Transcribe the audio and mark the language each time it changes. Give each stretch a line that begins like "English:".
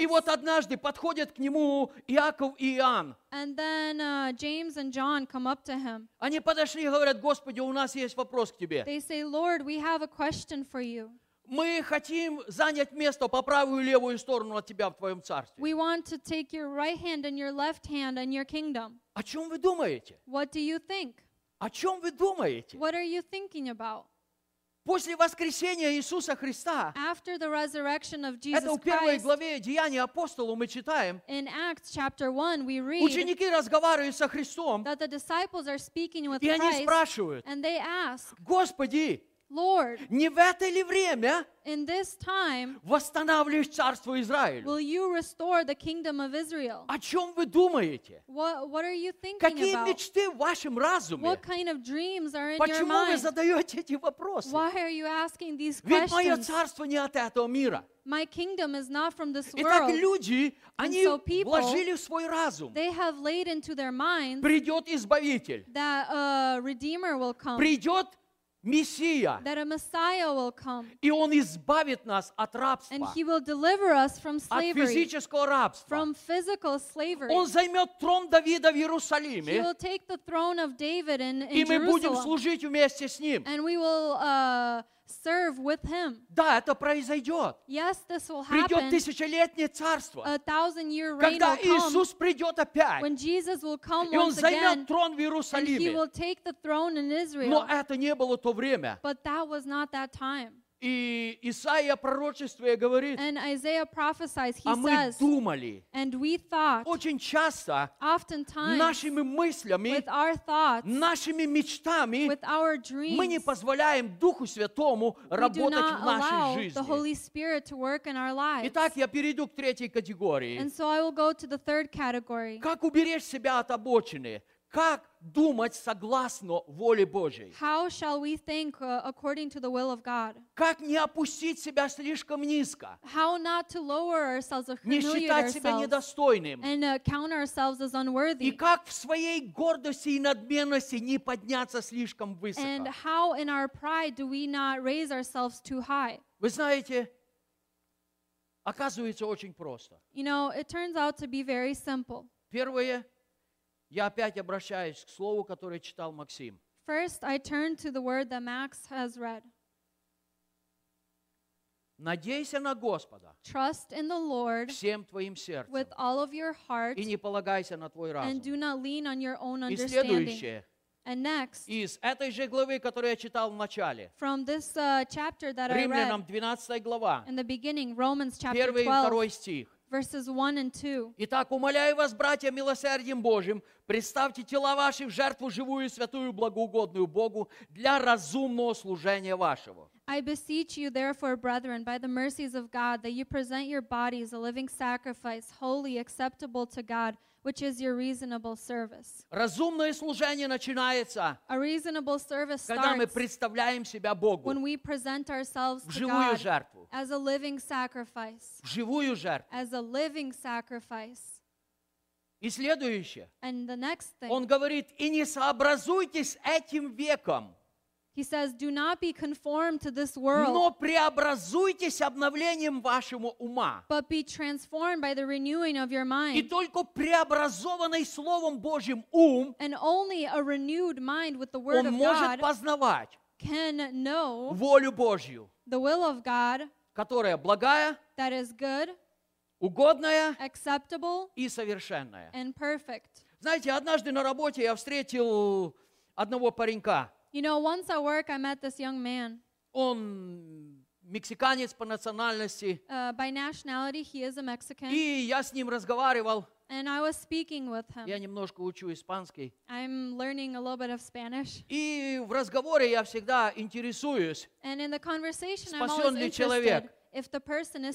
Russian: И вот однажды подходят к нему Иаков и Иоанн.
English: And then James and John come up to him.
Russian: Они подошли и говорят, Господи, у нас есть вопрос к Тебе.
English: They say, Lord, we have a question for You.
Russian: Мы хотим занять место по правую и левую сторону от Тебя в Твоем царстве.
English: We want to take Your right hand and Your left hand and Your kingdom.
Russian: О чем Вы думаете?
English: What do you think?
Russian: О чем Вы думаете?
English: What are you thinking about?
Russian: После воскресения Иисуса Христа,
English: After the resurrection of Jesus
Russian: это в первой
English: Christ,
Russian: главе Деяния апостолов мы читаем,
English: in Acts chapter 1, we read,
Russian: ученики разговаривают со Христом,
English: that the disciples are speaking with
Russian: и
English: Christ,
Russian: они спрашивают,
English: and they ask,
Russian: Господи,
English: Lord,
Russian: не в это ли время
English: in this time,
Russian: восстанавливаешь царство Израиля?
English: Will you restore the kingdom of Israel?
Russian: О чем вы думаете?
English: What are you thinking
Russian: Какие
English: about?
Russian: Мечты в вашем разуме?
English: What kind of dreams are in
Russian: Почему
English: your mind?
Russian: Вы задаете эти вопросы?
English: Why are you asking these
Russian: Ведь
English: questions?
Russian: Мое царство не от этого мира.
English: My kingdom is not from this world.
Russian: Итак, люди, они
English: and so people,
Russian: вложили в свой разум.
English: They have laid into their minds
Russian: придет Избавитель.
English: That a Redeemer will come.
Russian: Придет Мессия.
English: That a Messiah will come.
Russian: И Он избавит нас от рабства.
English: And He will deliver us from slavery.
Russian: От физического рабства.
English: From physical slavery.
Russian: Он займет трон Давида в Иерусалиме.
English: He will take the throne of David in Jerusalem.
Russian: И мы будем служить вместе с Ним.
English: And we will serve with Him.
Russian: Да, это произойдет.
English: Yes, this will
Russian: придет
English: happen.
Russian: Придет тысячелетнее царство.
English: A thousand-year reign
Russian: когда
English: will come.
Russian: Иисус придет опять.
English: When Jesus will come
Russian: и Он
English: once
Russian: займет
English: again,
Russian: трон в Иерусалиме.
English: And He will take the throne in Israel.
Russian: Но это не было то время.
English: But that was not that time.
Russian: И Исаия пророчествует говорит,
English: and Isaiah prophesies, he
Russian: а мы
English: says,
Russian: думали,
English: and we thought,
Russian: очень часто,
English: oftentimes,
Russian: нашими мыслями,
English: with our thoughts,
Russian: нашими мечтами,
English: with our dreams,
Russian: мы не позволяем Духу Святому работать в нашей жизни.
English: We do not allow the Holy Spirit to work in our lives.
Russian: Итак, я перейду к третьей категории.
English: And so I will go to the third category.
Russian: Как уберечь себя от обочины? Как думать согласно воле Божьей?
English: How shall we think according to the will of God?
Russian: Как не опустить себя слишком низко?
English: How not to lower ourselves or humiliate ourselves?
Russian: Не считать себя недостойным?
English: And count ourselves as unworthy?
Russian: И как в своей гордости и надменности не подняться слишком высоко?
English: And how in our pride do we not raise ourselves too high?
Russian: Вы знаете, оказывается очень просто.
English: You know, it turns out to be very simple.
Russian: Первое. Я опять обращаюсь к слову, которое читал Максим.
English: First, I turn to the word that Max has read.
Russian: Надейся на Господа.
English: Trust in the Lord.
Russian: Всем твоим сердцем.
English: With all of your heart.
Russian: И не полагайся на твой разум.
English: And do not lean on your own understanding.
Russian: И следующее.
English: And next.
Russian: Из этой же главы, которую я читал в начале.
English: From this chapter that I
Russian: read. Римлянам 12 глава.
English: In the beginning, Romans chapter
Russian: 12. Первый и второй стих.
English: Verses 1 and 2.
Russian: Итак, умоляю вас, братья, милосердием Божьим, представьте тела ваши в жертву живую, святую, благоугодную Богу для разумного служения вашего.
English: I beseech you, therefore, brethren, by the mercies of God, that you present your bodies a living sacrifice, holy, acceptable to God, which is your reasonable service.
Russian: Разумное служение начинается,
English: a reasonable service
Russian: когда
English: starts
Russian: мы представляем себя Богу,
English: when we present ourselves
Russian: в живую
English: to God
Russian: жертву,
English: as a living sacrifice.
Russian: В живую жертву.
English: As a living sacrifice.
Russian: И следующее.
English: And the next thing.
Russian: Он говорит, и не сообразуйтесь этим веком.
English: He says, do not be conformed to this world.
Russian: Но преобразуйтесь обновлением вашего ума.
English: But be transformed by the renewing of your mind.
Russian: И только преобразованный Словом Божьим ум,
English: and only a renewed mind with the Word of God can know
Russian: волю Божью,
English: the will of God,
Russian: которая благая,
English: that is good,
Russian: угодная,
English: acceptable,
Russian: и совершенная.
English: And perfect.
Russian: Знаете, однажды на работе я встретил одного паренька.
English: You know, once at work, I met this young man.
Russian: Он мексиканец по национальности.
English: By nationality, he is a Mexican.
Russian: И я с ним разговаривал.
English: And I was speaking with him.
Russian: Я немножко учу испанский.
English: I'm learning a little bit of Spanish.
Russian: И в разговоре я всегда интересуюсь.
English: And in the conversation,
Russian: спасен
English: I'm always
Russian: ли человек?
English: Interested if the person is